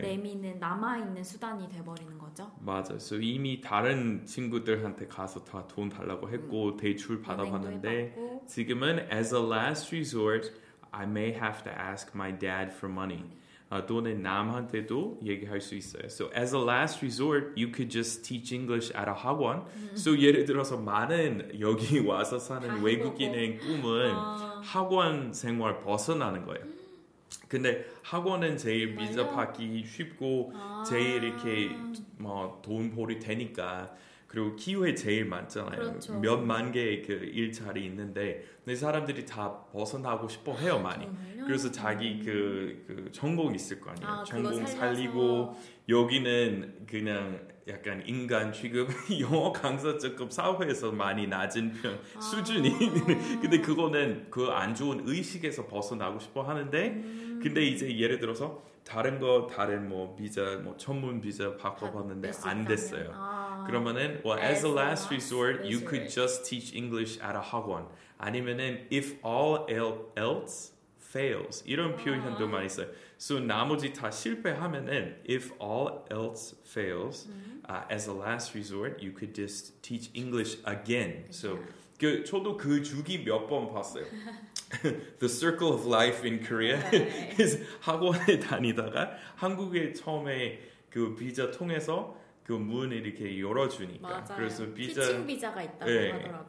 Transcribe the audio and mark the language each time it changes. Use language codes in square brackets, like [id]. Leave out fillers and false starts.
[ko] 레미는 남아 있는 수단이 돼 버리는 거죠. 맞아요. So 이미 다른 친구들한테 가서 다 돈 달라고 했고 대출 받아봤는데 지금은 [en] as a last resort, I may have to ask my dad for money. [ko] 또는 남한테도 얘기할 수 있어요. [en] So as a last resort, you could just teach English at a 학원. [ko] So 예를 들어서 많은 여기 와서 사는 외국인의 꿈은 학원 생활 벗어나는 거예요. 근데 학원은 제일 미접하기 쉽고 제일 이렇게 뭐 돈 벌이 되니까 그리고 기회 제일 많잖아요. 그렇죠. 몇만 개의 그 일자리 있는데 근데 사람들이 다 벗어나고 싶어 해요 많이. 정말요? 그래서 자기 그 전공 있을 거 아니에요. 전공 살리고 여기는 그냥 약간 인간 취급 영어 강사 조금 사회에서 많이 낮은 편 수준이 근데 그거는 그 안 좋은 의식에서 벗어나고 싶어 하는데 근데 이제 예를 들어서 다른 거 다른 뭐 비자 뭐 전문 비자 바꿔봤는데 안 됐어요. [en] 그러면은 well as a last resort you could just teach English at a 학원 아니면은 if all else fails. 이런 표현도 많이 써요. So [ko] 나머지 다 실패하면은 [en] if all else fails, as a last resort, you could just teach English again. [ko] So 그 저도 그 주기 몇 번 봤어요. [en] The circle of life in Korea is [ko] 학원에 다니다가 한국에 처음에 그 비자 통해서 그 문 이렇게 열어주니까 맞아요. 그래서 비자 티칭 비자가 있다고 네, 하더라고요.